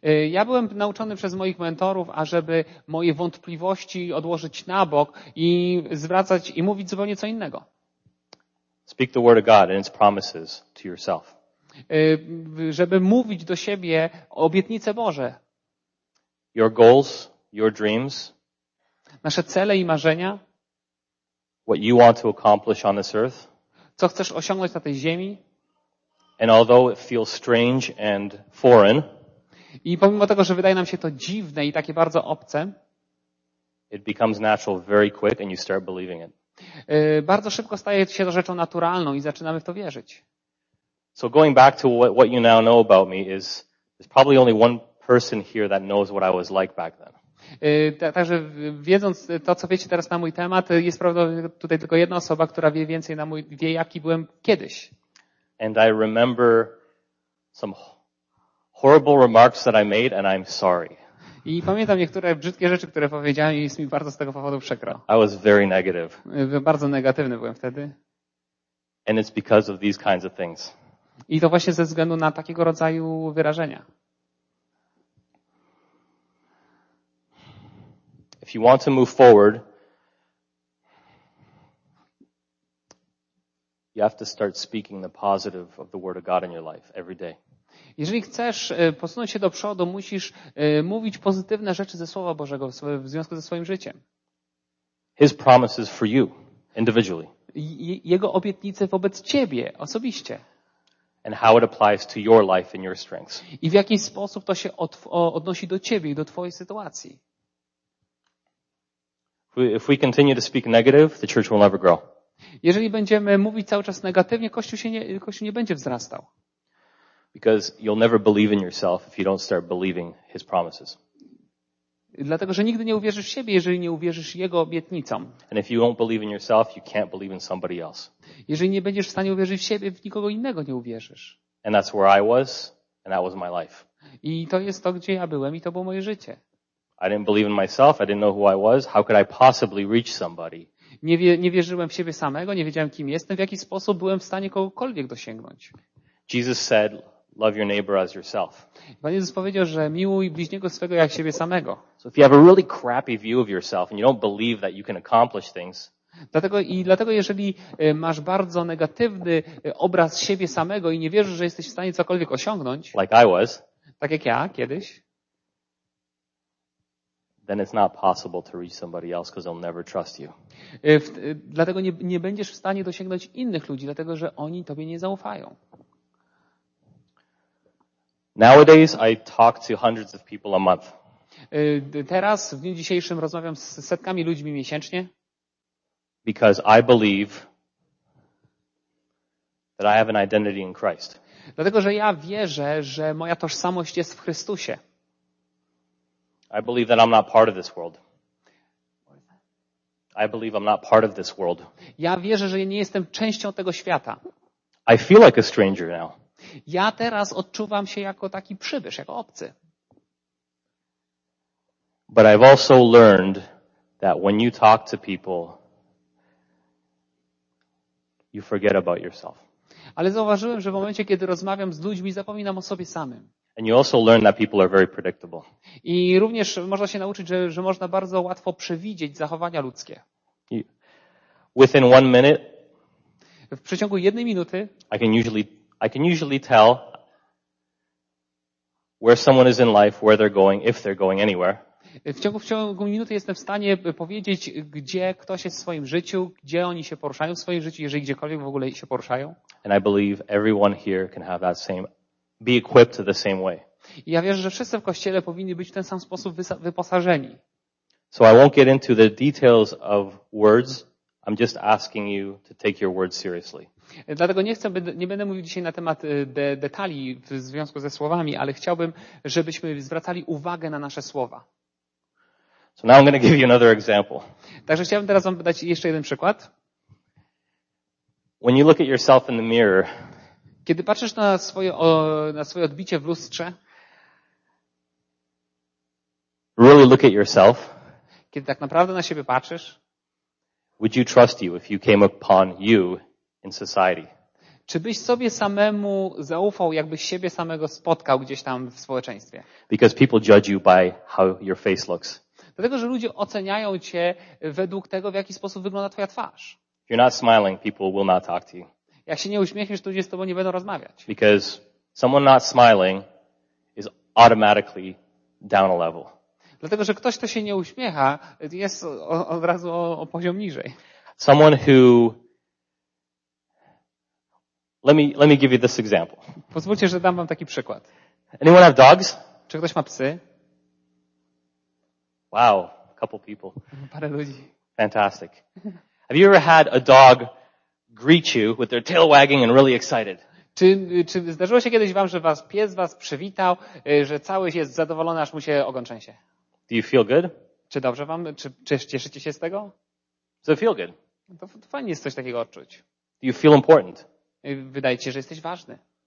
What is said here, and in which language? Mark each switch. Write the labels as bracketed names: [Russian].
[Polish] Ja byłem nauczony przez moich mentorów, ażeby moje wątpliwości odłożyć na bok i zwracać i mówić zupełnie co innego. [English] Speak the word of God and its promises to yourself. [Polish] żeby mówić do siebie obietnice Boże. [English] Your goals, your dreams. [Polish] Nasze cele i marzenia. [English] What you want to accomplish on this earth. [Polish] Co chcesz osiągnąć na tej ziemi. [English] And although it feels strange and foreign. [Polish] I pomimo tego, że wydaje nam się to dziwne i takie bardzo obce. [English] It becomes natural very quick and you start believing it. [Polish] Bardzo szybko staje się to rzeczą naturalną i zaczynamy w to wierzyć. [English] So going back to what you now know about me is there's probably only one person here that knows what I was like back then. [Polish] Także wiedząc to, co wiecie teraz na mój temat, jest prawdopodobnie tutaj tylko jedna osoba, która wie więcej na mój, wie jaki byłem kiedyś. [English] And I remember some horrible remarks that I made and I'm sorry. [Polish] I pamiętam niektóre brzydkie rzeczy, które powiedziałem i jest mi bardzo z tego powodu przykro. [English] I was very negative. [Polish] Bardzo negatywny byłem wtedy. [English] And it's because of these kinds of things. [Polish] I to właśnie ze względu na takiego rodzaju wyrażenia. [English] If you want to move forward, you have to start speaking the positive of the word of God in your life every day. [Polish] Jeżeli chcesz posunąć się do przodu, musisz mówić pozytywne rzeczy ze Słowa Bożego w związku ze swoim życiem. [English] His promises for you individually. [Polish] Jego obietnice wobec ciebie osobiście. [English] And how it applies to your life and your strengths. [Polish] I w jaki sposób to się odnosi do ciebie i do twojej sytuacji. [English] If we continue to speak negative, the church will never grow. [Polish] Jeżeli będziemy mówić cały czas negatywnie, Kościół nie będzie wzrastał. [English] Because you'll never believe in yourself if you don't start believing his promises. [Polish] Dlatego, że nigdy nie uwierzysz w siebie, jeżeli nie uwierzysz jego obietnicom. [English] And if you won't believe in yourself, you can't believe in somebody else. [Polish] Jeżeli nie będziesz w stanie uwierzyć w siebie, w nikogo innego nie uwierzysz. [English] And that's where I was, and that was my life. [Polish] I to jest to, gdzie ja byłem i to było moje życie. [English] I didn't believe in myself, I didn't know who I was, how could I possibly reach somebody? [Polish] Nie wierzyłem w siebie samego, nie wiedziałem, kim jestem, w jaki sposób byłem w stanie kogokolwiek dosięgnąć. [English] Jesus said, love your neighbor as yourself. [Polish] Pan Jezus powiedział, że miłuj bliźniego swego jak siebie samego. [English] So if you have a really crappy view of yourself and you don't believe that you can accomplish things. [Polish] Dlatego jeżeli masz bardzo negatywny obraz siebie samego i nie wierzysz, że jesteś w stanie cokolwiek osiągnąć. [English] Like I was. [Polish] Tak jak ja kiedyś. [English] Then it's not possible to reach somebody else because they'll never trust you. [Polish] Dlatego nie będziesz w stanie dosięgnąć innych ludzi, dlatego że oni tobie nie zaufają. [English] Nowadays I talk to hundreds of people a month. [Polish] Teraz w dniu dzisiejszym rozmawiam z setkami ludzi miesięcznie. [English] Because I believe that I have an identity in Christ. [Polish] Dlatego że ja wierzę, że moja tożsamość jest w Chrystusie. [English] I believe that I'm not part of this world. I believe I'm not part of this world. [Polish] Ja wierzę, że nie jestem częścią tego świata. [English] I feel like a stranger now. [Polish] Ja teraz odczuwam się jako taki przybysz, jako obcy. [English] But I've also learned that when you talk to people, you forget about yourself. [Polish] Ale zauważyłem, że w momencie, kiedy rozmawiam z ludźmi, zapominam o sobie samym. [English] And you also learn that people are very predictable. [Polish] I również można się nauczyć, że można bardzo łatwo przewidzieć zachowania ludzkie. [English] Within one minute, [Polish] w przeciągu jednej minuty [English] I can usually tell where someone is in life, where they're going, if they're going anywhere. [Polish] W ciągu minuty jestem w stanie powiedzieć, gdzie ktoś jest w swoim życiu, gdzie oni się poruszają w swoim życiu, jeżeli gdziekolwiek w ogóle się poruszają. [English] And I believe everyone here can have that same, be equipped the same way. [Polish] I ja wierzę, że wszyscy w kościele powinni być w ten sam sposób wyposażeni. [English] So I won't get into the details of words. I'm just asking you to take your words seriously. [Polish] Dlatego nie będę mówił dzisiaj na temat detali w związku ze słowami, ale chciałbym, żebyśmy zwracali uwagę na nasze słowa. [English] So now I'm going to give you another example. [Polish] Także chciałbym teraz wam dać jeszcze jeden przykład. [English] When you look at yourself in the mirror, [Polish] kiedy patrzysz na swoje odbicie w lustrze, [English] really look at yourself, [Polish] kiedy tak naprawdę na siebie patrzysz, [English] would you trust you if you came upon you in society? [Polish] Czy byś sobie samemu zaufał, jakbyś siebie samego spotkał gdzieś tam w społeczeństwie? [English] Because people judge you by how your face looks. [Polish] Dlatego, że ludzie oceniają cię według tego, w jaki sposób wygląda twoja twarz. [English] If you're not smiling, people will not talk to you. [Polish] Jak się nie uśmiechniesz, to ludzie z tobą nie będą rozmawiać. [English] Because someone not smiling is automatically down a level. [Polish] Dlatego, że ktoś, kto się nie uśmiecha, jest od razu o poziom niżej. [English] Someone who... Let me give you this example. [Polish] Pozwólcie, że dam wam taki przykład. [English] Anyone have dogs? [Polish] Czy ktoś ma psy? [English] Wow, a couple people. [Polish] Parę ludzi. [English] Fantastic. Have you ever had a dog greet you with their tail wagging and really excited? [Polish] Czy zdarzyło się kiedyś wam, że was pies was przywitał, że cały jest zadowolony, aż mu się ogon trzęsie? [English] Do you feel good? [Polish] Czy dobrze wam? Czy cieszycie się z tego? [English] So feel good. [Polish] To fajnie jest coś takiego odczuć. [English] Do you feel important? [Polish] Wydaje ci się, że jesteś ważny.